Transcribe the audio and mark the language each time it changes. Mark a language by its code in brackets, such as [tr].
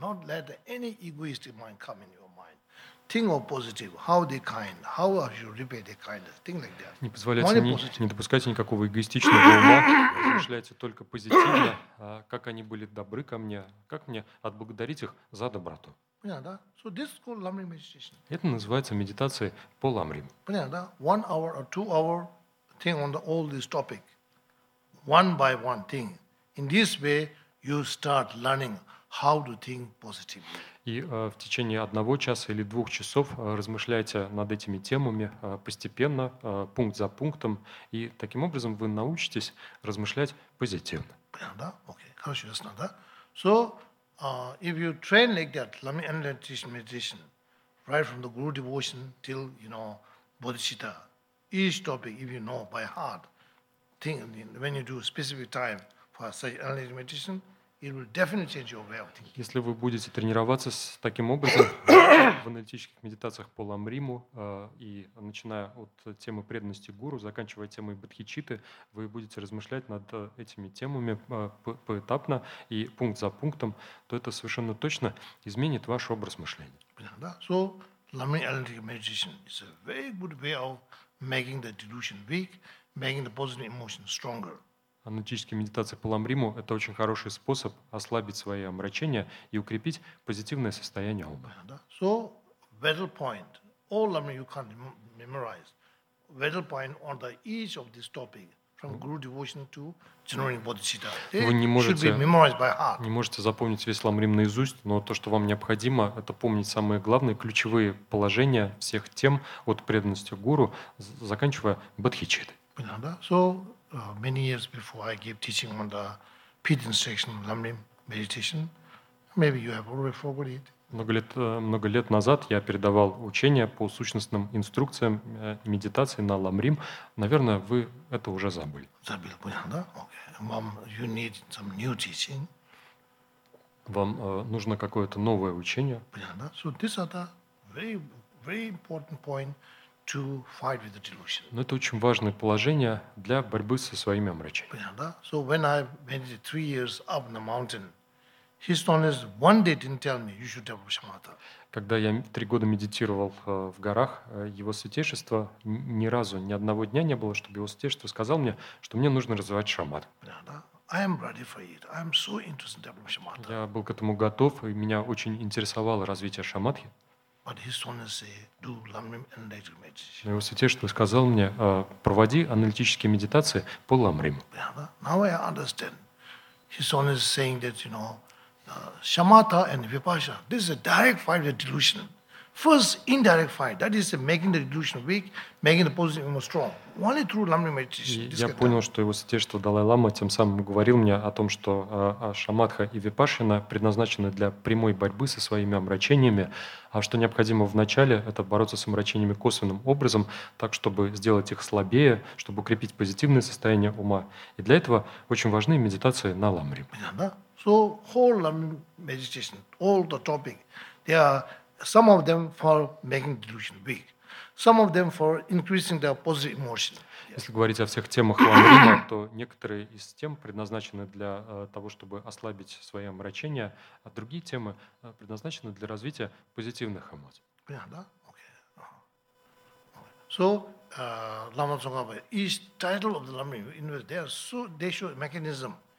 [en] Not let any egoistic mind come in your mind. Think of positive. How they kind? How are you repay the kindness? Think like that. [ru] Не позволяйте не допускайте никакого эгоистичного ума. Размышляйте только позитивно. Как они были добры ко мне? Как мне отблагодарить их за доброту? Понятно, да? [en] So this is called lamrim meditation. [ru] Это называется медитация по ламрим. Понятно, да? [en] One hour or two hour think on all this topic. One by one thing. In this way you start learning how to think positively. [ru] И в течение одного часа или двух часов размышляйте над этими темами постепенно, пункт за пунктом, и таким образом вы научитесь размышлять позитивно. Понятно, да? Окей. Хорошо, ясно, да? [en] So, if you train like that, lamrim meditation, right from the guru devotion till, you know, bodhicitta, each topic, if you know by heart, think, when you do specific time for such lamrim meditation, it will definitely change your way of thinking. [ru] Если вы будете тренироваться с таким образом в аналитических медитациях по ламриму, и начиная от темы преданности гуру, заканчивая темой бодхичитты, вы будете размышлять над этими темами поэтапно и пункт за пунктом, то это совершенно точно изменит ваш образ мышления. Понятно, да? [en] So, lamrim analytic meditation is a very good way of making the delusion weak, making the positive emotion stronger. [ru] Аналитическая медитация по ламриму – это очень хороший способ ослабить свои омрачения и укрепить позитивное состояние ума. [en] So, vital point. All ламри you can't memorize. Vital point on the each of this topic, from guru devotion to generating bodhicitta. [ru] Вы не можете запомнить весь ламрим наизусть, но то, что вам необходимо, это помнить самые главные, ключевые положения всех тем от преданности гуру, заканчивая бодхичиттой. Понятно, да? [en] So, many years before I gave teaching on the Pit Instruction Lamrim Meditation, maybe you have already forgotten it. [ru] Много лет назад я передавал учение по сущностным инструкциям медитации на ламрим. Наверное, вы это уже забыли. Забыл, понятно, да? [en] Okay. Mom, you need some new teaching. [ru] Вам нужно какое-то новое учение. Понятно, да? [en] So this is a very, very important point. To fight with the delusion. [ru] Но это очень важное положение для борьбы со своими омрачениями. Понятно, да? [en] So when I went 3 years up the mountain, His Holiness one day didn't tell me you should develop shamatha. [ru] Когда я 3 года медитировал в горах, Его Святейшество ни разу, ни одного дня не было, чтобы Его Святейшество сказал мне, что мне нужно развивать шамат. Понятно, да? [en] I am ready for it. I am so interested in developing shamatha. [ru] Я был к этому готов, и меня очень интересовало развитие шамадхи. [en] But His Holiness said, "Do lamrim analytic meditation." [ru] Его Святейшество сказал мне, проводи аналитические медитации по ламрим. [en] Now I understand. His Holiness saying that, you know, shamatha and vipassana, this is a direct fight with delusion. First, indirect fight. That is making the delusion weak, making the positive more strong. Only through lamrim meditation. [ru] Я понял, что Его Святейшество Далай-Лама тем самым говорил мне о том, что шамадха и випашана предназначены для прямой борьбы со своими омрачениями, а что необходимо вначале, это бороться с омрачениями косвенным образом, так, чтобы сделать их слабее, чтобы укрепить позитивное состояние ума. И для этого очень важны медитации на ламри. [en] So, whole lamrim meditation, all the topic, they are some of them for making delusion weak, some of them for increasing their positive emotion. [ru] Если говорить о всех темах ламрима, то некоторые из тем предназначены для того, чтобы ослабить свои омрачения, а другие темы предназначены для развития позитивных эмоций. Понятно, да? Okay. [en] So, Lama Tsongkhapa, each title of the ламрим, they show mechanism.